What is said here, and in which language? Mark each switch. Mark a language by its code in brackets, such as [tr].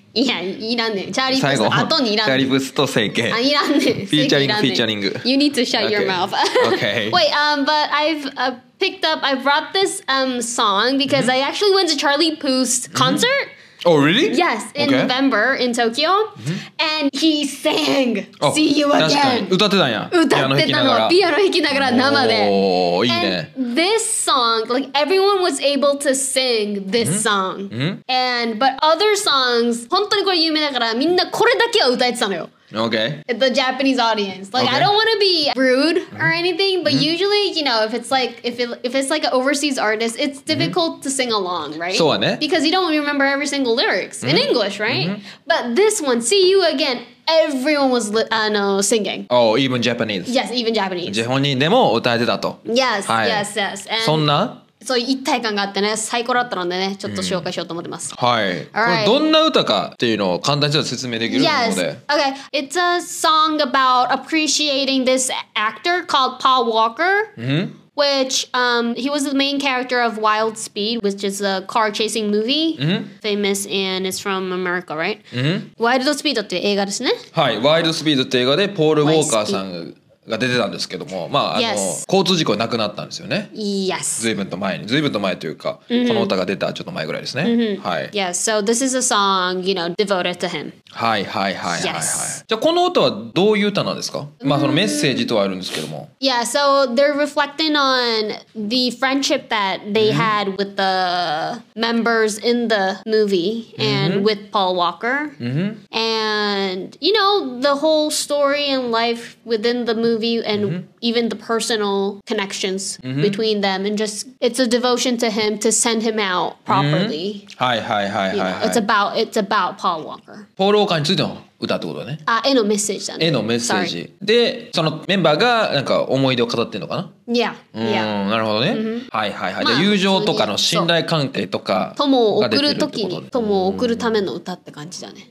[ja] いや、いらんねん。チャーリープス、後にいらんねん。チャーリープスと整形。あ、いらんねん。フィーチャリング、フィーチャリング。 [en] You need to shut your mouth. Okay. Wait, but I brought this song because I actually went to Charlie Puth's concert. Oh, really? Yes, in November in Tokyo. And he sang See You Again. [ja] 確かに、歌ってたんや。歌ってたの、ピアノ弾きながら生で。おー、いいね。 [en] And this song, like everyone was able to sing this song. But other songs, [ja] 本当にこれ有名だからみんなこれだけは歌えてたのよ。 [en] Okay. The Japanese audience. Like,、okay. I don't want to be rude or anything, but usually, you know, if it's like an overseas artist, it's difficult to sing along, right? [ja] そうね。 [en] Because you don't remember every single lyrics in English, right? But this one, See You Again, everyone was singing. Oh, even Japanese. Yes, even Japanese. [ja] 日本人でも歌えてたと。 [en] Yes,、はい、yes, yes. And [ja] そんな? そう一体感があってね最高だったのでねちょっと紹介しようと思ってます、はい、 [en] right. [ja] どんな歌かっていうのを簡単に説明できるので [en] Yes, okay. It's a song about appreciating this actor called Paul Walker、 mm-hmm. Which、he was the main character of Wild Speed Which is a car chasing movie、 mm-hmm. Famous and it's from America, right?、 Mm-hmm. [ja] Wild Speed っていう映画ですねはい Wild Speed っていう映画でポール・ウォーカーさんが出てたんですけども、まあ、 [en] yes. [ja] 交通事故で亡くなったんですよね。 [en] Yes. [ja] 随分と前に、随分と前というか、mm-hmm. この歌が出たちょっと前ぐらいですね。 Mm-hmm. はい。 [en] Yes, so this is a song, you know, devoted to him. [ja] はいはいはいはい、はい [en] yes. [ja] じゃあこの歌はどういう歌なんですか、mm-hmm. まあそのメッセージとはあるんですけども。 [en] Yeah, so they're reflecting on the friendship that they had with the members in the movie and with Paul Walker. And, you know, the whole story and life within the movie and even the personal connections between them and just it's a devotion to him to send him out properly. [ja] はいはいはいはい。 [en] It's about Paul Walker. [ja] ポール・ウォーカーについての歌ってことだね。あ、絵のメッセージだね。絵のメッセージ。で、そのメンバーがなんか思い出を語ってるのかな [en] Yeah. [ja] なるほどね。はいはいはい。じゃあ友情とかの信頼関係とか。友を送るときに。友を送るための歌って感じだね。